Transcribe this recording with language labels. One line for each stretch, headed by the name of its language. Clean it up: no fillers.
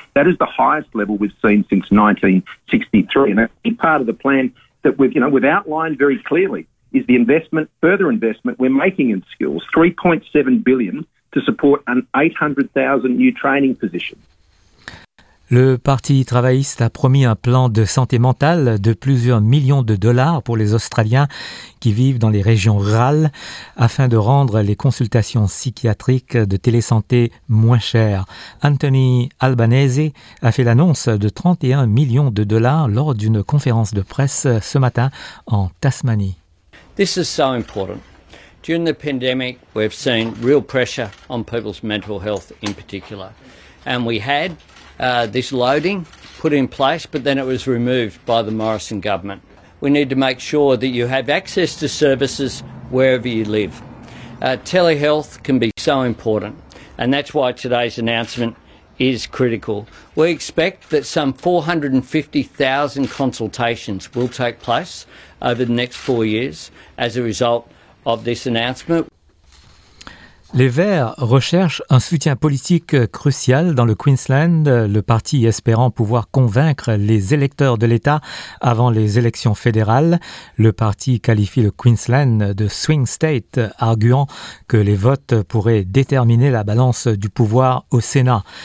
English: That is the highest level we've seen since 1963. And a key part of the plan that we've outlined very clearly is the investment, further investment we're making in skills, $3.7 billion to support an 800,000 new training position.
French: Le Parti travailliste a promis un plan de santé mentale de plusieurs millions de dollars pour les Australiens qui vivent dans les régions rurales afin de rendre les consultations psychiatriques de télésanté moins chères. Anthony Albanese a fait l'annonce de 31 millions de dollars lors d'une conférence de presse ce matin en Tasmanie.
English: This is so important. During the pandemic, we've seen real pressure on people's mental health in particular. And we had this loading put in place, but then it was removed by the Morrison government. We need to make sure that you have access to services wherever you live. Telehealth can be so important, and that's why today's announcement is critical. We expect that some 450,000 consultations will take place over the next 4 years as a result of this announcement.
French: Les Verts recherchent un soutien politique crucial dans le Queensland, le parti espérant pouvoir convaincre les électeurs de l'État avant les élections fédérales. Le parti qualifie le Queensland de « swing state », arguant que les votes pourraient déterminer la balance du pouvoir au Sénat.